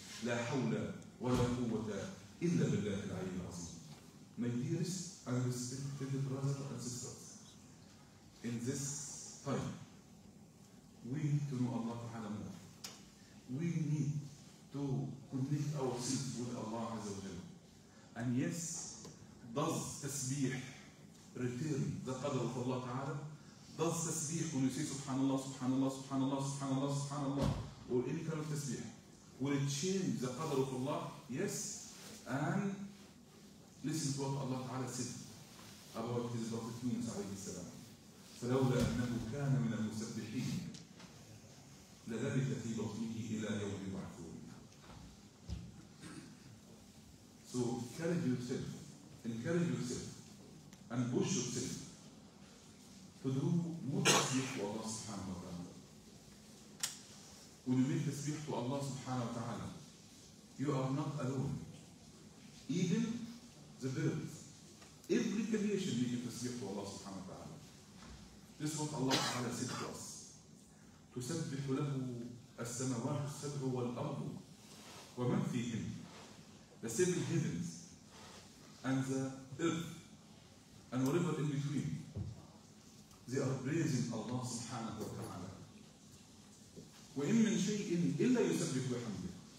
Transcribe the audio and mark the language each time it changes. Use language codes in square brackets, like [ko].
[ar] لا حول ولا قوة إلا بالله العلي العظيم. [en] My dearest and respected brothers and sisters, in this time, we need to know Allah Ta'ala more. We need to connect ourselves with Allah Azza wa Jalla. And yes, does tasbih return the qadr of Allah Ta'ala? Does tasbih when you say Subhanallah, Subhanallah, Subhanallah, Subhanallah, Subhanallah, or any kind of tasbih? Will it change the qadr of Allah? Yes. And listen to what Allah Ta'ala said about his prophet Yunus alayhi salam. [ar] فلولا أنه كان من المسبحين لذلك في بطنه إلى يوم يبعثون. [en] So encourage yourself, encourage yourself and push yourself to do more tasbih to Allah subhanahu wa ta'ala. When you make tasbih to Allah subhanahu wa ta'ala, you are not alone. Even the birds, every creation make tasbih to Allah subhanahu wa ta'ala. This is what Allah ta'ala said to us. [ar] تسبح له السماوات السبع والأرض ومن فيهن. [en] The seven heavens and the earth and whatever in between. They are praising Allah subhanahu wa ta'ala. [ar] وإن من شيء إلا يسبح بحمده.